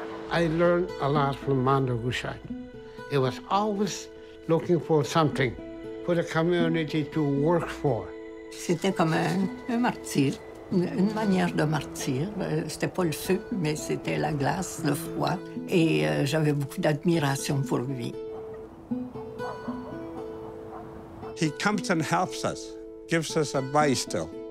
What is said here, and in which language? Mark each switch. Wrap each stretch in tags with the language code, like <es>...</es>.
<en>I learned a lot from Mondo Gushat. He was always looking for something for the community to work for.</en> <fr>C'était comme un martyr, une manière de martyr. C'était pas le feu, mais c'était la glace, le froid. Et j'avais beaucoup d'admiration pour lui.</fr> <en>He comes and helps us, gives us advice still.</en>